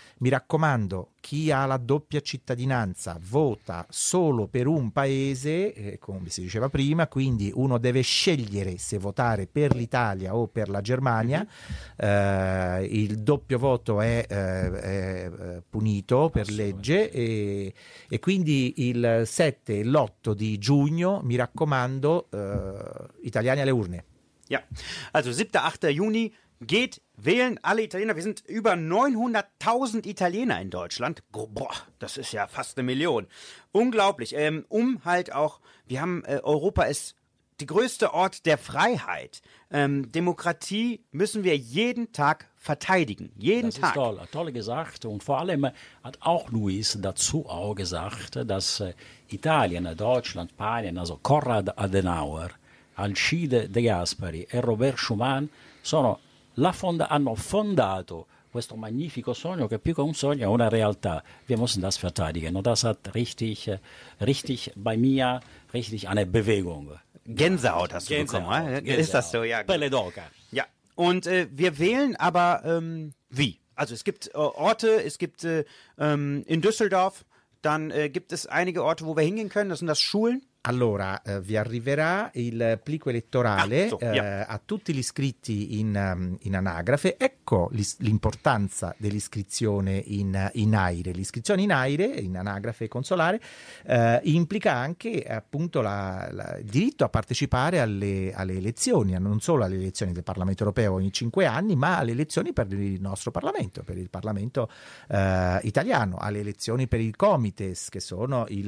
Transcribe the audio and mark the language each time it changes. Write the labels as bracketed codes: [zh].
[it] Mi raccomando, chi ha la doppia cittadinanza vota solo per un paese, come si diceva prima, quindi uno deve scegliere se votare per l'Italia o per la Germania. Il doppio voto è punito per legge e quindi il 7 e l'8 di giugno, mi raccomando, italiani alle urne. [de] Ja, also 7. 8. Juni geht wählen, alle Italiener. Wir sind über 900.000 Italiener in Deutschland. Boah, das ist ja fast 1 Million. Unglaublich. Wir haben, Europa ist der größte Ort der Freiheit. Demokratie müssen wir jeden Tag verteidigen. Jeden das Tag. Das ist toll, toll gesagt. Und vor allem hat auch Luis dazu auch gesagt, dass Italien, Deutschland, Spanien, also Konrad Adenauer, Alcide De Gasperi e Robert Schuman [it] hanno fondato questo magnifico sogno, che più che un sogno è una realtà. [de] Wir müssen das verteidigen. Und das hat richtig bei mir, richtig eine Bewegung. Gänsehaut hast du bekommen, oder? Ist das so, ja. [it] Pelle d'oca. [de] Ja, und wir wählen aber wie? Also es gibt Orte, es gibt in Düsseldorf, dann gibt es einige Orte, wo wir hingehen können, das sind das Schulen. [it] Allora, vi arriverà il plico elettorale a tutti gli iscritti in anagrafe. Ecco l'importanza dell'iscrizione in AIRE. L'iscrizione in AIRE, in anagrafe consolare, implica anche appunto il diritto a partecipare alle elezioni, non solo alle elezioni del Parlamento europeo ogni 5 anni, ma alle elezioni per il nostro Parlamento, per il Parlamento italiano, alle elezioni per il Comites, che sono